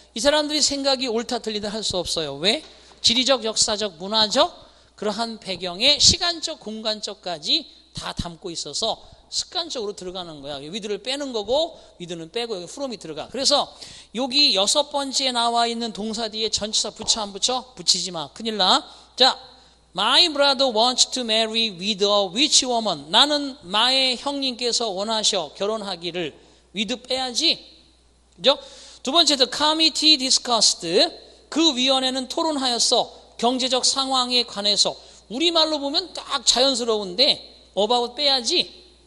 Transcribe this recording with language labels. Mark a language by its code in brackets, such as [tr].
[ko] 이 사람들이 생각이 옳다 틀리다 할 수 없어요. 왜? 지리적, 역사적, 문화적 그러한 배경에 시간적, 공간적까지 다 담고 있어서 습관적으로 들어가는 거야. 위드를 빼는 거고 위드는 빼고 여기 프롬이 들어가. 그래서 여기 여섯 번째에 나와 있는 동사 뒤에 전치사 붙여 안 붙여? 붙이지 마. 큰일 나. 자, [en] My brother wants to marry with a rich woman. [ko] 나는 나의 형님께서 원하셔 결혼하기를 with 빼야지. 그죠? 두 번째, [en] the committee discussed. [ko] 그 위원회는 토론하였어. 경제적 상황에 관해서 우리말로 보면 딱 자연스러운데 about 빼야지.